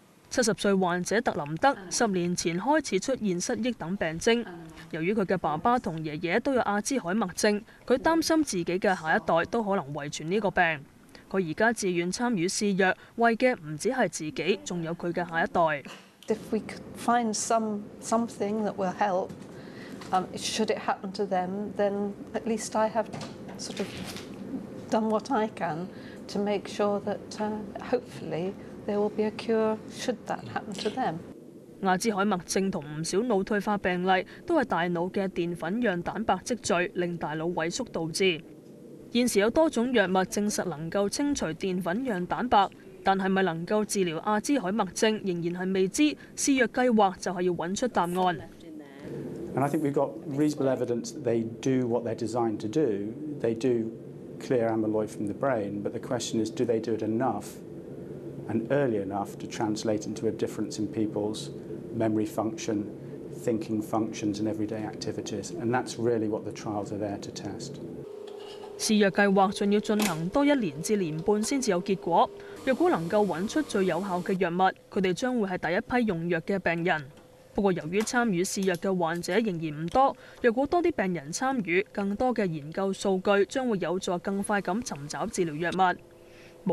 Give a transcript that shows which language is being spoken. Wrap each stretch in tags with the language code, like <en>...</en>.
<zh>70岁患者特林德10年前开始出现失忆等病征，由于他的爸爸和爷爷都有阿兹海默症，他担心自己的下一代都可能遗传这个病。他現在自愿参与试药，为的不只是自己，还有他的下一代。</zh> <en>If we could find something that will help, should it happen to them, then at least I have sort of done what I can to make sure that hopefully there will be a cure should that happen to them.</en> <zh>阿兹海默症和不少脑退化病例都是大脑的淀粉样蛋白积聚，令大脑萎缩导致。現時有多種藥物證實能夠清除澱粉樣蛋白，但是否能夠治療阿茲海默症仍然是未知，試藥計劃就是要找出答案。</zh> <en>And I think we've got reasonable evidence they do what they're designed to do. They do clear amyloid from the brain, but the question is, do they do it enough and early enough to translate into a difference in people's memory function, thinking functions and everyday activities? And that's really what the trials are there to test.</en> <zh>試藥計劃還要進行多1年至1.5年才有結果，若果能夠找出最有效的藥物，他們將會是第一批用藥的病人。不過由於參與試藥的患者仍然不多，若果多些病人參與，更多的研究數據將會有助更快地尋找治療藥物。</zh>